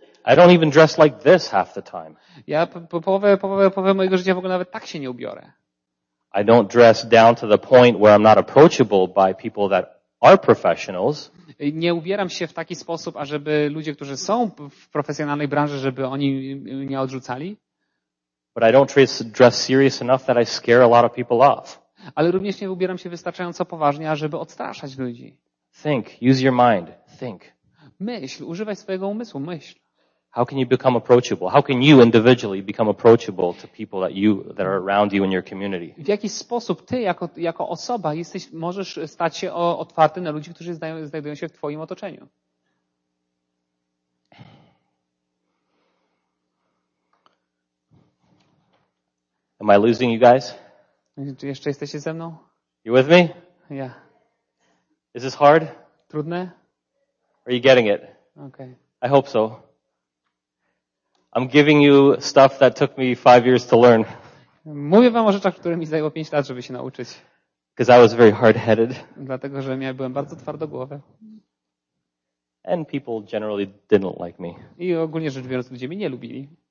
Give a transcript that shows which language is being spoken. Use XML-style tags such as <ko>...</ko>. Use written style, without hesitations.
<en>I don't even dress like this half the time.</en> <pl>Ja połowę mojego życia w ogóle nawet tak się nie ubiorę.</pl> <en>I don't dress down to the point where I'm not approachable by people that are professionals.</en> <pl>Nie ubieram się w taki sposób, ażeby ludzie, którzy są w profesjonalnej branży, żeby oni mnie odrzucali.</pl> <en>But I don't dress serious enough that I scare a lot of people off.</en> <pl>Ale również nie ubieram się wystarczająco poważnie, ażeby odstraszać ludzi.</pl> <en>Think, use your mind, think.</en> <pl>Myśl, używaj swojego umysłu, myśl.</pl> <en>How can you become approachable? How can you individually become approachable to people that are around you in your community?</en> <pl>W jaki sposób ty jako osoba możesz stać się otwarty na ludzi, którzy znajdują się w twoim otoczeniu?</pl> <en>Am I losing you guys?</en> <pl>Czy jeszcze jesteście ze mną?</pl> <en>You with me? Yeah. Is this hard?</en> <pl>Trudne?</pl> <en>Are you getting it? Okay. I hope so. I'm giving you stuff that took me 5 years to learn.</en> <pl>Mówię wam o rzeczach, które mi zajęło 5 lat, żeby się nauczyć.</pl> <en>Because I was very hard-headed.</en> <pl>Dlatego, że ja byłem bardzo twardogłowy.</pl> <en>And people generally didn't like me.</en> <pl>I ogólnie rzecz biorąc, ludzie mnie nie lubili.</pl>